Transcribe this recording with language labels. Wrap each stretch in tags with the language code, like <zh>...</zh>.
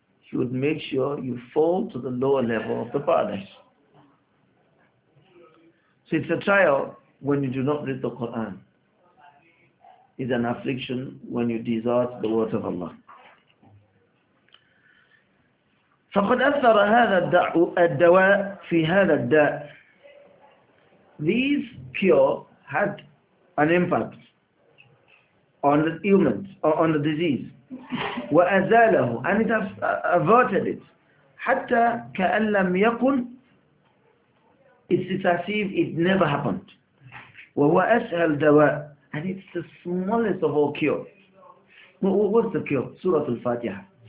<en>He would make sure you fall to the lower level of the paradise. So it's a trial when you do not read the Quran. It's an affliction when you desert the words of Allah.</en> <ar>فقد أثر هذا الدواء في هذا الداء.</ar> <en>This cure had an impact on the ailment or on the disease.</en> <ar>وأزاله</ar> <en>and it has averted it.</en> <ar>حتى كأن لم يكن.</ar> <en>It's as if it never happened.</en> <ar>وهو أسهل دواء</ar> <en>and it's the smallest of all cures. What's the cure? Surah Al-Fatiha.</en>